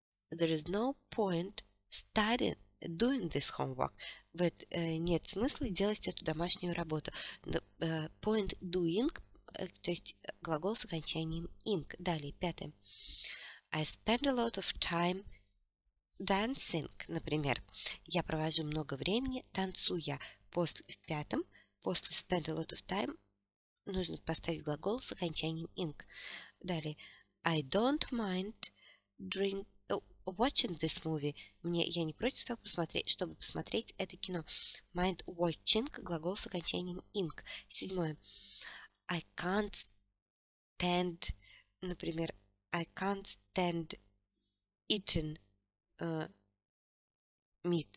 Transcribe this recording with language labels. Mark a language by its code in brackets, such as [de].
[en] There is no point studying doing this homework. [ru] But, нет смысла делать эту домашнюю работу. [en] Point doing, [ru] то есть глагол с окончанием ing. Далее, пятое. [en] I spend a lot of time dancing, [ru] например. Я провожу много времени, танцуя. После, в пятом, после [en] spend a lot of time, [ru] нужно поставить глагол с окончанием ing. Далее. [en] I don't mind drink, watching this movie. [ru] Мне, я не против того, посмотреть, чтобы посмотреть это кино. [en] Mind watching, [ru] глагол с окончанием ing. Седьмое. [en] I can't stand, [ru] например, [en] I can't stand eating meat.